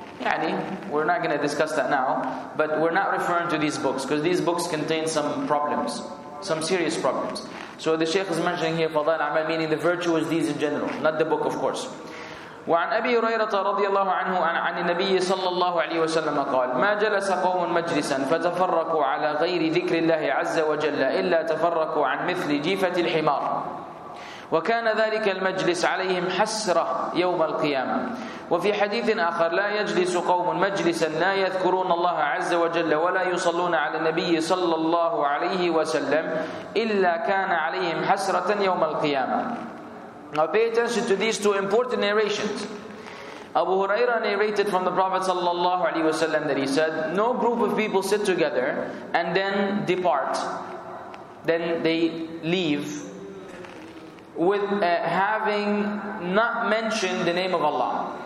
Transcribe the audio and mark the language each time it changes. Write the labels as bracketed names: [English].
[English] Yani, we're not going to discuss that now, but we're not referring to these books because these books contain some problems, some serious problems. So the Shaykh is mentioning here fada'il amal, meaning the virtuous deeds in general, not the book, of course. [Arabic] وعن أبي هريرة رضي الله عنه عن النبي صلى الله عليه وسلم قال ما جلس قوم مجلسا فتفرقوا على غير ذكر الله عز وجل إلا تفرقوا عن مثل جيفة الحمار وكان ذلك المجلس عليهم حسرة يوم القيامة وفي حديث آخر لا يجلس قوم مجلسا لا يذكرون الله عز وجل ولا يصلون على النبي صلى الله عليه وسلم إلا كان عليهم حسرة يوم القيامة. [English] Now pay attention to these two important narrations. Abu Huraira narrated from the Prophet sallallahu alaihi wasallam that he said, no group of people sit together and then depart. Then they leave with having not mentioned the name of Allah.